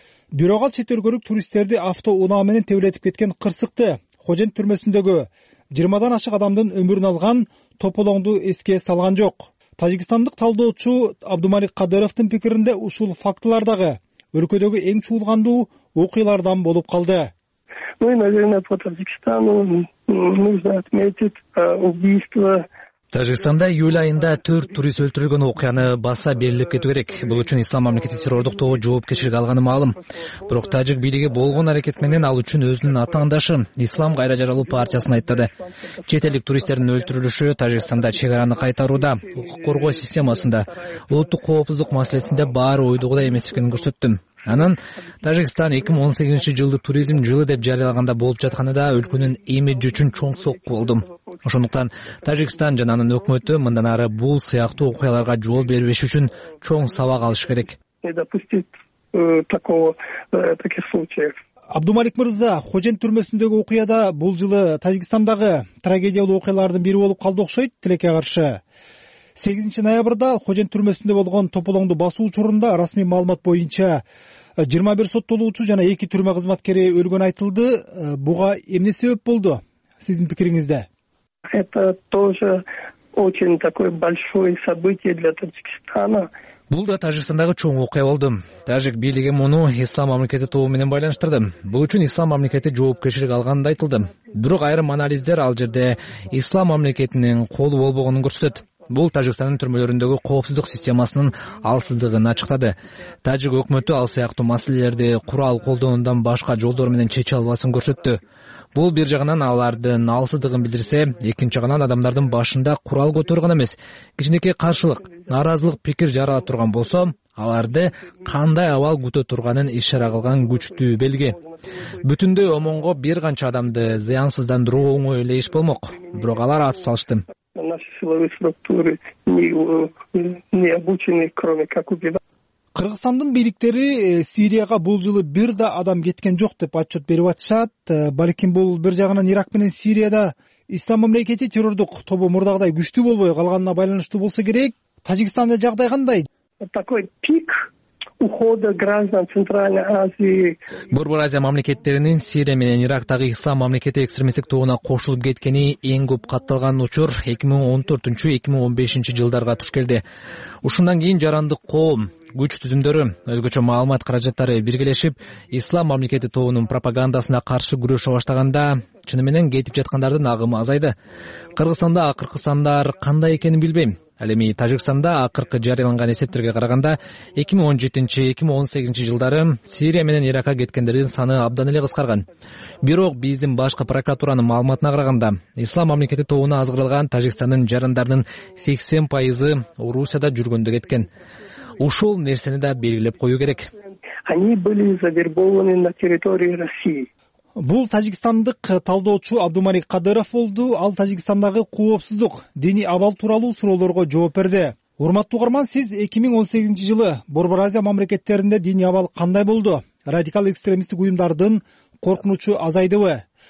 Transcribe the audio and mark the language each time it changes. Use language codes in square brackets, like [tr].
[ky] Бирок ал чет өлкөлүк туристтерди авто унаа менен тебилетип кеткен кырсыкты Хожент түрмөсүндөгү 20 ашык адамдын өмүрүн алган тополоңду эске салган жок. Тажикстандык талдоочу Абдумалик Кадыровдун пикиринде ушул фактылар дагы өлкөдөгү эң чуулгандуу окуялардан болуп калды. [ru] Ну и, наверное, по Таджикистану нужно отметить убийство. [ky] Тажикстанда июль айында 4 турист өлтүрүлгөн окуяны баса берилип кетүү керек. Бул үчүн Ислам мамлекети террордук тобу жоопкерчилик алганы маалым. Бирок тажик бийлиги болгон аракет менен ал үчүн өзүнүн атаандашы Ислам кайра жаралуу партиясына айттады. Чет элдик туристтердин өлтүрүлүшү Тажикстанда чек араны кайтарууда, укук коргоо системасында, улуттук коопсуздук маселесинде баары ойдогудай эмес экенин көрсөттүм. Анан Тажикстан 2018 жылды туризм жылы деп жарыялаганда болуп жатканы да өлкөнүн имиджи үчүн чоң сокку болду. Ошондуктан Тажикстан жана анын өкмөтү мындан ары бул сыяктуу окуяларга жол бербеш үчүн чоң сабак алыш керек. [ru] Не допустить таких случаев. [ky] Абдумалик Мырза, Хожент түрмөсүндөгү окуяда бул жылы Тажикстандагы трагедиялуу окуялардын бири болуп калды окшойт тилекке каршы. 8 ноябрда Хожент түрмөсүндө болгон тополоңду басуу учурунда расмий маалымат боюнча 21 соттолуучу жана 2 түрмө кызматкери өлгөнү айтылды. Буга эмне себеп болду сиздин пикириңизде? [ru] Это тоже очень такое большое событие для Таджикистана. [ky] Бул да Тажикстандагы чоң окуя болду. Тажик бийлиги муну Ислам мамлекети тобу менен байланыштырды. Бул үчүн Ислам мамлекети жоопкерчилик алганы да айтылды. Бирок айрым анализдер ал жерде Ислам мамлекетинин колу болбогонун көрсөтөт. Бул Тажикстандын түрмөлөрүндөгү коопсуздук системасынын алсыздыгын ачыктады. Тажик өкмөтү ал сыяктуу маселелерди курал колдонуудан башка жолдор менен чече албасын көрсөттү. Бул бир жагынан алардын алсыздыгын билдирсе, экинчи жагынан адамдардын башында курал көтөргөн эмес, кичинекей каршылык, нааразылык пикир жарала турган болсо, аларды кандай абал күтө турганын ишара кылган күчтүү белги. Бүтүндөй омонго бир канча адамды зыянсыздандыруу оңой эле иш болмок, бирок алар атып салышты. [ru] Наши силовые структуры не обучены, кроме как убивать. [ky] Кыргызстандын бийликтери Сирияга бул жылы бир да адам кеткен жок деп отчет берип атышат. Балким бул бир жагынан Ирак менен Сирияда Ислам мамлекети террордук тобу мурдагыдай күчтүү болбой калганына байланыштуу болсо керек. Таджикстанда жагдай кандай? [ru] Такой пик ухода граждан Центральной Азии. [ky] Борбор Азия мамлекеттеринин Сирия менен Ирактагы Ислам мамлекети экстремисттик тобуна кошулуп кеткени эң көп катталган учур 2014-2015 жылдарга туш келди. Ушундан кийин жарандык коом, күч түзүмдөрү, өзгөчө маалымат каражаттары биргелешип, Ислам мамлекети тобунун пропагандасына каршы күрөшө баштаганда, чыны менен кетип жаткандардын агымы азайды. Кыргызстанда акыркы сандар кандай экенин билбейм. Ал эми Тажикстанда акыркы жарыяланган эсептерге караганда 2017-2018 жылдары Сирия менен Иракка кеткендердин саны абдан эле кыскарган. Бирок биздин башкы прокуратуранын маалыматына караганда Ислам мамлекети тобуна азгырылган Тажикстандын жарандарынын 80% Орусияда жүргөндө кеткен. Ушул нерсени да белгилеп коюу керек. [ru] Они были завербованы на территории России. [ky] Бул тажикстандык талдоочу Абдумалик Кадыров болду. Ал Тажикстандагы коопсуздук, диний абал тууралуу суроолорго жооп берди. Урматтуу угарман, сиз 2018 жылы Борбор Азия мамлекеттеринде диний абал кандай болду? Радикал экстремисттик уюмдардын коркунучу азайдыбы?